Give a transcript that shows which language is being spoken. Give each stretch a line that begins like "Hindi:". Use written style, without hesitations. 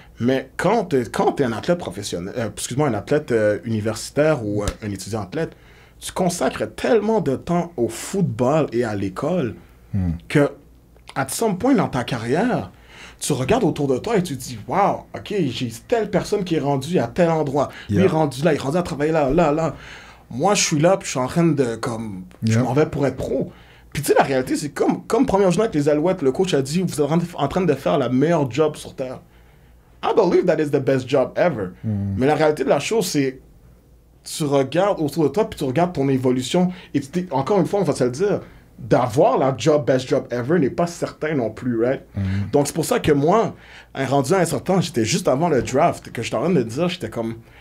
French: Mais quand tu es un athlète professionnel, un athlète universitaire ou un étudiant athlète, tu consacres tellement de temps au football et à l'école que, à
English: some point
French: dans ta carrière, tu regardes autour de toi et tu te dis, waouh, OK, j'ai telle personne qui est rendue à tel endroit. Lui est rendu là, il est rendu à travailler là. Moi, je suis là, puis je suis en train de, je m'en vais pour être pro. Puis tu sais, la réalité, c'est comme première journée avec les Alouettes, le coach a dit, vous êtes en train de faire la meilleure job sur Terre.
English: I believe that is the best job ever.
French: Mais la réalité de la chose, c'est, tu regardes autour de toi, puis tu regardes ton évolution, et tu dis, encore une fois, on va se le dire, d'avoir la job,
English: best job ever,
French: n'est pas certain non plus,
English: right?
French: Donc c'est pour ça que moi, rendu à un certain temps, j'étais juste avant le draft, que j'étais en train de dire, j'étais comme...